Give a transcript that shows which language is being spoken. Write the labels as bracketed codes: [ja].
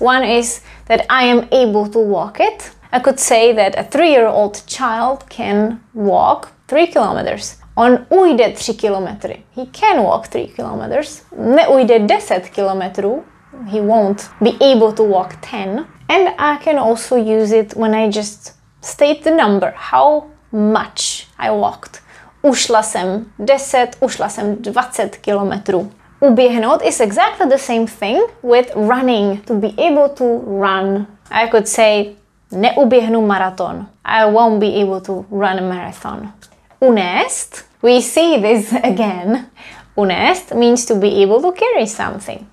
[en] One is that I am able to walk it. I could say that a 3-year-old child can walk 3 kilometers. [cs] On ujde 3 kilometry. [en] He can walk 3 kilometers. [cs] Neujde 10 kilometrů. [en] He won't be able to walk 10. And I can also use it when I just state the number. How much I walked. [cs] Ušla jsem 10, ušla jsem 20 kilometrů. [en] Uběhnout is exactly the same thing with running. To be able to run. I could say [cs] neuběhnu maraton. [en] I won't be able to run a marathon. Unést. We see this again. Unést means to be able to carry something.